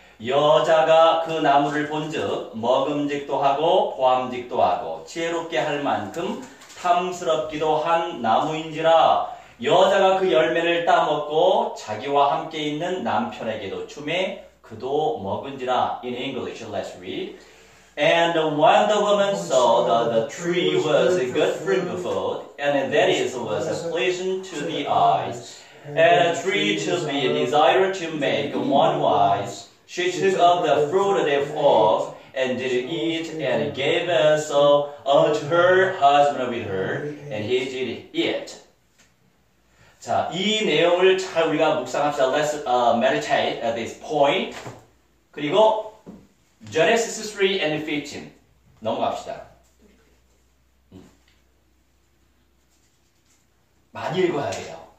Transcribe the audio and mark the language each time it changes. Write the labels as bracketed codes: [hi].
[ko] 여자가 그 나무를 본즉 먹음직도 하고 보암직도 하고 지혜롭게 할 만큼 탐스럽기도 한 나무인지라 여자가 그 열매를 따먹고 자기와 함께 있는 남편에게도 주매 그도 먹은지라. [en] In English, let's read. And when the woman saw that the tree was good for food, and that it was pleasant to the eyes, and a tree to be desired to make one wise, she took of the fruit thereof, and did eat, and gave also unto her husband with her, and he did eat. [ko] 자, 이 내용을 잘 우리가 묵상합시다. [en] Let's meditate at this point. [ko] 그리고 [en] Genesis 3 and 15. [ko] 넘어갑시다. 많이 읽어야 돼요.